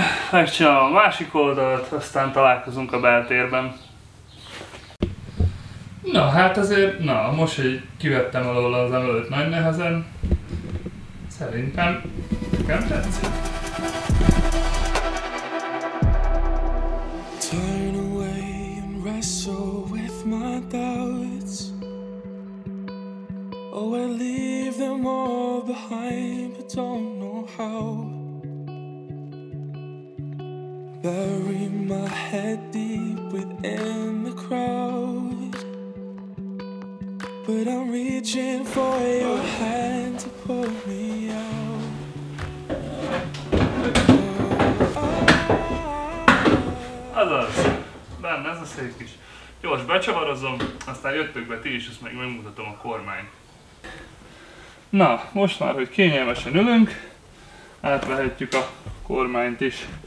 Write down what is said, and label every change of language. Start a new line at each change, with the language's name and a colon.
Hungarian: Megcsinálom a másik oldalt, aztán találkozunk a beltérben. Na, hát azért, na, most, hogy kivettem alól az emelőt nagy nehezen, szerintem nekem tetszik.
English: Turn away and wrestle with my doubts. Oh, I leave them all behind, but don't know how. Bury my head deep within the crowd, but I'm reaching for your hand to pull me out.
Hungarian: Azaz, benne ez a szép kis gyors becsavarozom, aztán jöttök be ti is, ezt meg megmutatom a kormányt. Na, most már, hogy kényelmesen ülünk, átvehetjük a kormányt is.